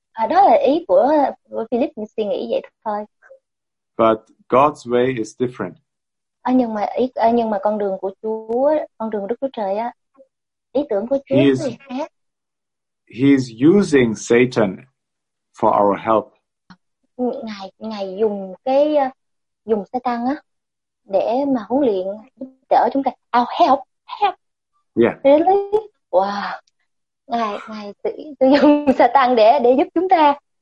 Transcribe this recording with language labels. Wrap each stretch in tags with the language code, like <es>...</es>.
<vi>Đó là ý của Philip mình suy nghĩ vậy thôi.</vi> <en>But God's way is different.</en> <vi>Nhưng mà con đường của Chúa, con đường Đức Chúa Trời á, ý tưởng của Chúa thì khác.</vi> <en>He is using Satan for our help.</en> <vi>Ngài dùng Satan á để mà huấn luyện đỡ chúng ta.</vi> <en>Oh, help. Yeah. Really? Wow.</en> <vi>Ngài sử dụng Satan để giúp chúng ta.</vi>